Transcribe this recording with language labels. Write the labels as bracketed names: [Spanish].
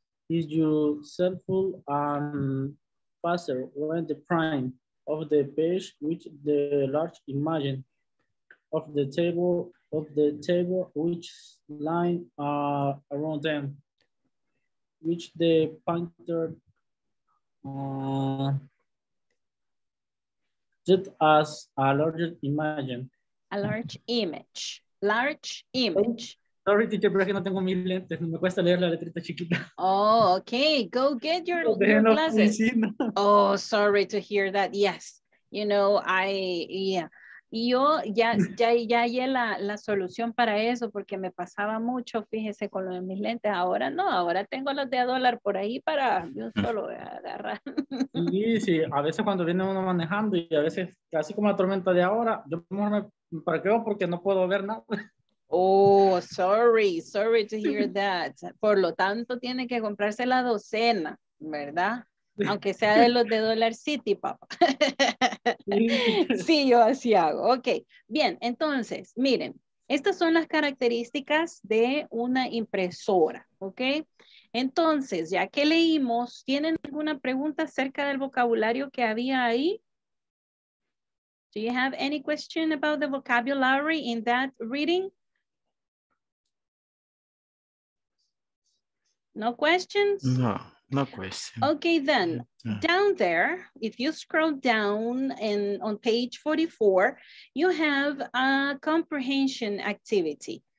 [English] is useful and faster when the prime of the page with the large image of the table which line around them, which the pointer just as a larger image. A large image. Large image. Sorry, teacher, [Spanish] pero es que no tengo mis lentes. Me cuesta leer la letrita chiquita. [English] Oh, okay. Go get your glasses. Oh, sorry to hear that. Yes. You know, [Spanish] yo ya hallé la solución para eso porque me pasaba mucho, fíjese, con lo de mis lentes. Ahora no, ahora tengo los de a dólar por ahí para yo solo agarrar. Sí, a veces cuando viene uno manejando y a veces casi como la tormenta de ahora, yo mejor me parqueo porque no puedo ver nada. [English] Oh, sorry to hear that. [Spanish] Por lo tanto, tiene que comprarse la docena, ¿verdad? Aunque sea de los de Dollar City, papá. Sí, yo así hago. Ok, bien, entonces, miren, estas son las características de una impresora, ¿ok? Entonces, ya que leímos, ¿tienen alguna pregunta acerca del vocabulario que había ahí? [English] Do you have any question about the vocabulary in that reading? No questions? No question. Okay, then, down there, if you scroll down on page 44, you have a comprehension activity.